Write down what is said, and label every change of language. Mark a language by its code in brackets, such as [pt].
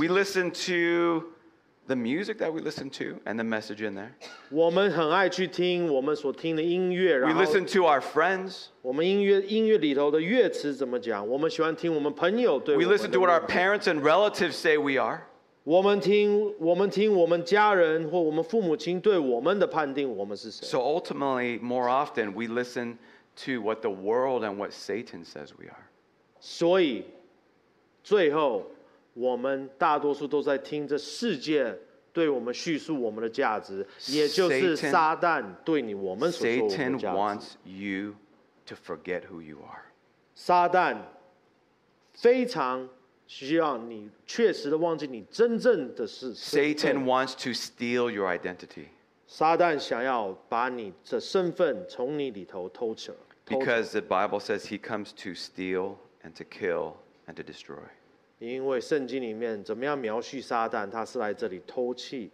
[en] We listen to the music that we listen to and the message in there. [zh] 我们很爱去听我们所听的音乐。 [en] We listen to our friends. [zh] 我们音乐里头的乐词怎么讲？我们喜欢听我们朋友对。 [en] We listen to what our parents and relatives say we are. [zh] 我们听我们家人或我们父母亲对我们的判定，我们是谁。 [en] So ultimately, more often, we listen to what the world and what Satan says we are. [zh] 所以，最后，我们大多数都在听这世界对我们叙述我们的价值，也就是撒旦对你我们所说我们的价值。 [en] Satan wants you to forget who you are. [zh] 撒旦非常需要你确实的忘记你真正的是。 [en] Satan wants to steal your identity. [zh] 撒旦想要把你的身份从你里头偷走。 [en] Because the Bible says he comes to steal and to kill and to destroy. [zh] 因为圣经里面怎么样描述撒旦，他是来这里偷窃。